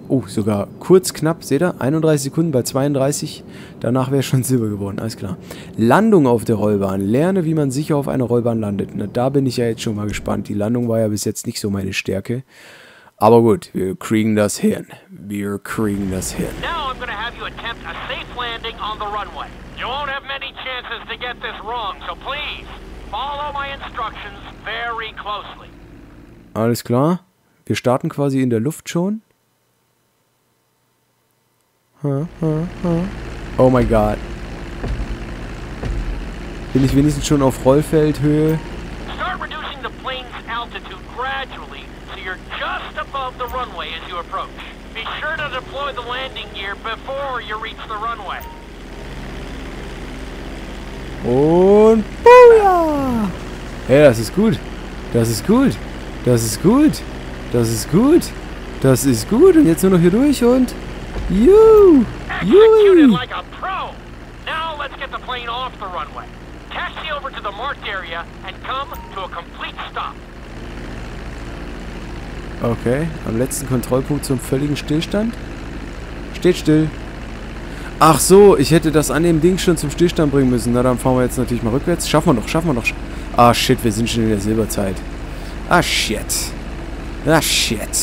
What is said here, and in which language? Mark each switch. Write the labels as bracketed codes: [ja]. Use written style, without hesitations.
[de] Oh, sogar kurz, knapp, seht ihr? 31 Sekunden bei 32. Danach wäre schon Silber geworden, alles klar. Landung auf der Rollbahn. Lerne, wie man sicher auf einer Rollbahn landet. Na, da bin ich ja jetzt schon mal gespannt. Die Landung war ja bis jetzt nicht so meine Stärke. Aber gut, wir kriegen das hin. Wir kriegen das hin. [en] Now I'm gonna have you attempt a safe landing on the runway. You won't have many chances to get this wrong, so please follow my instructions very closely. [de] Alles klar. Wir starten quasi in der Luft schon. Oh mein Gott. Bin ich wenigstens schon auf Rollfeldhöhe? [en] Start reducing the plane's altitude gradually, so you're just above the runway as you approach. Be sure to deploy the landing gear before you reach the runway. [de] Und booyah! Hey, das ist gut. Das ist gut. Das ist gut. Das ist gut. Das ist gut. Und jetzt nur noch hier durch und... Juhu! [en] Juhu! Executed like a pro! Now let's get the plane off the runway. Taxi over to the marked area and come to a complete stop. [de] Okay, am letzten Kontrollpunkt zum völligen Stillstand. Steht still. Ach so, ich hätte das an dem Ding schon zum Stillstand bringen müssen. Na, dann fahren wir jetzt natürlich mal rückwärts. Schaffen wir noch, schaffen wir noch. Ah, shit, wir sind schon in der Silberzeit. [en] Ah, shit. Ah, shit.